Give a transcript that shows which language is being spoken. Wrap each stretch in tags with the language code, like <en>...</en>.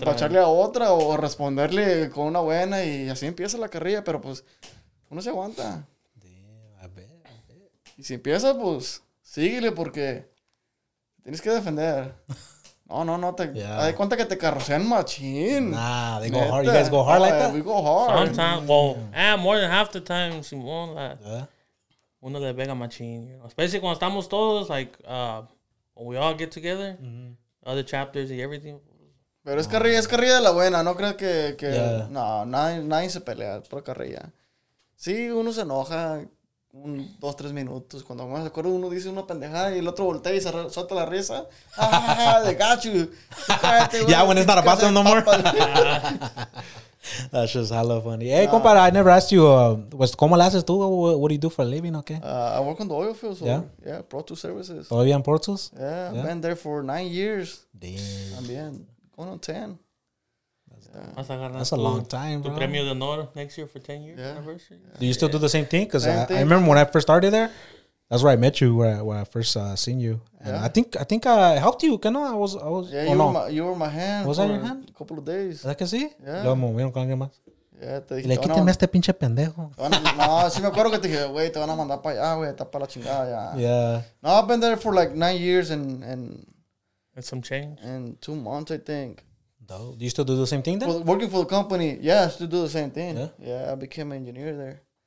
<es>Para echarle a otra o responderle con una buena y así empieza la carrilla, pero pues uno se aguanta. A ver. Y si empieza, pues síguele porque tienes que defender. No, te yeah. Da cuenta que te carrocean machín.</es> <en>Nah, they go hard. You guys go hard like that? We go hard. Sometimes, more than half the time, si won,</en> <es>uno le pega machín.</es> <en>You know? Especially</en> <es>cuando estamos todos,</es> <en>like, when we all get together, mm-hmm. Other chapters and everything.</en> <es>Pero es carrilla de la buena. No creo que yeah. No, nadie se pelea por carrilla. Sí, uno se enoja un, dos, tres minutos. Cuando me acuerdo, uno dice una pendejada y el otro voltea y se suelta la risa.</es> <en>¡Ah, they got you! Ya, when it's not a bathroom no more. That's just hella funny. Hey, compadre, I never asked you,</en> <es>¿cómo lo haces tú?</es> <en>What do you do for a living, okay? I work on the oil field, so, yeah, Pro Tools Services.</en> <es>¿Todavía en Pro Tools?</es> <en>Yeah, I've been there for 9 years. Damn. También. Going on 10. That's a long time, bro.</en> <es>Tu premio de honor</es> <en>next year for 10 years anniversary. Yeah. Do you still do the same thing? Because I remember when I first started there, that's where I met you, where I first seen you. And yeah. I think I helped you, you know? I was. Yeah, you were my hand. Was that your hand? A couple of days.</en> <es>¿Es que sí?</es> <en>Yeah.</en> <es>Lo movieron con alguien más.</es> <en>Yeah,</en> <es>le quíteme a este pinche pendejo. Sí me acuerdo que te dije, güey, te van a mandar para allá, güey, está para la chingada ya.</es> <en>Yeah. No, I've been there for like 9 years and some change. And 2 months, I think. Though, do you still do the same thing then? Well, working for the company, yeah, I still do the same thing. Yeah, I became an engineer there.</en>